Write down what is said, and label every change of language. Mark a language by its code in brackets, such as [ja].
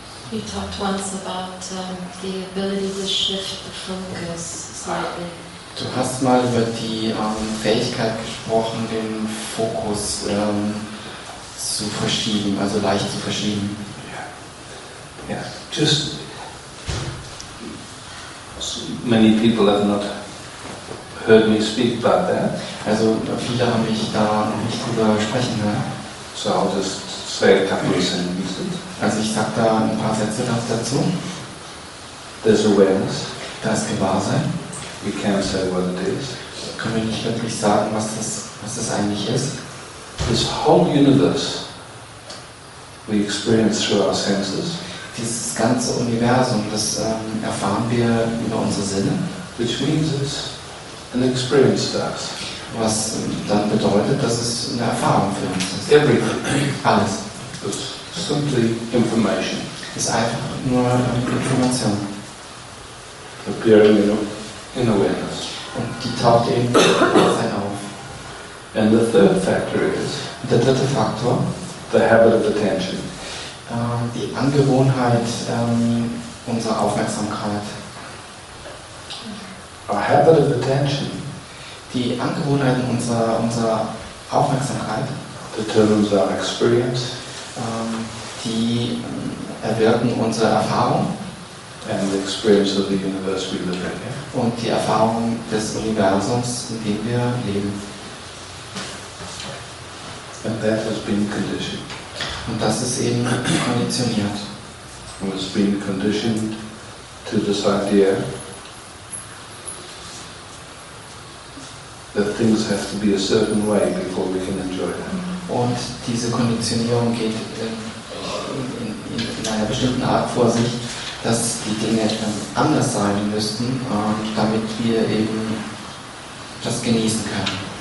[en] We talked once about the ability to shift the focus slightly. [de] Du hast mal über die Fähigkeit gesprochen, den Fokus zu verschieben, also leicht zu verschieben. [en] Yeah. Yeah. Just so many people have not heard me speak about that. [de] Also viele haben mich da nicht drüber sprechen hören. [en] So I'll just say a couple of sentences. [de] Also ich sag da ein paar Sätze noch dazu. [en] There's awareness. [de] Da ist Gewahrsein. [en] We can't say what it is. [de] Können wir nicht wirklich sagen, was das eigentlich ist? [en] This whole universe we experience through our senses. [de] Dieses ganze Universum, das erfahren wir über unsere Sinne. [en] Which means it's an experience for us. [de] Was dann bedeutet, dass es eine Erfahrung für uns ist. [en] Everything. [de] Alles. [en] It's simply information. [de] Es ist einfach nur Information. [en] Appearing in awareness. [de] Und die taucht eben Bewusstsein auf. [en] And the third factor is. [de] Und der dritte Faktor. [en] The habit of attention. [de] Die Angewohnheit unserer Aufmerksamkeit. [en] A habit of attention. [de] Die Angewohnheiten unserer Aufmerksamkeit. [en] Determines our experience. [de] Die erwirken unsere Erfahrung. [en] And the experience of the universe we live in. Yeah? [de] Und die Erfahrung des Universums, in dem wir leben. [en] And that has been conditioned. [de] Und das ist eben konditioniert. [en] And it's been conditioned to this idea that things have to be a certain way before we can enjoy them. [de] Und diese Konditionierung geht in einer bestimmten Art vor sich, dass die Dinge anders sein müssten, damit wir eben das genießen können.